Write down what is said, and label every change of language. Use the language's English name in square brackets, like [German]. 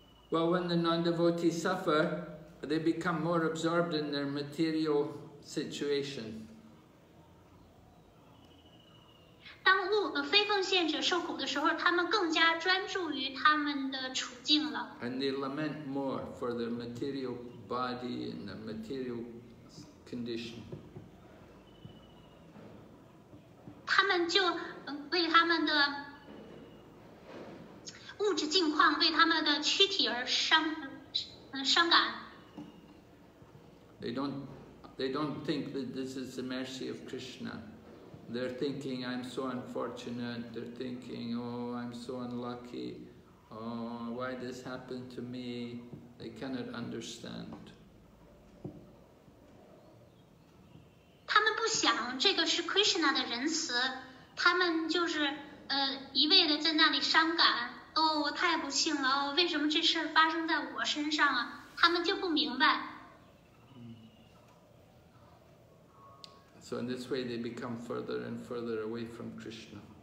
[English] Well, when the non-devotees suffer, they become more absorbed in their material situation. [Chinese] 当非奉献者受苦的时候，他们更加专注于他们的处境了。 [English] And they lament more for their material body and their material condition. [Chinese] 他们就为他们的物质境况为他们的躯体而伤感。 [English] They don't think that this is the mercy of Krishna. They're thinking, I'm so unfortunate. They're thinking, oh, I'm so unlucky. Oh, why this happened to me? They cannot understand. [Chinese] 他们不想这个是Krishna的仁慈，他们就是一味的在那里伤感，哦，我太不幸了，为什么这事发生在我身上啊，他们就不明白。 [English] So in this way they become further and further away from Krishna.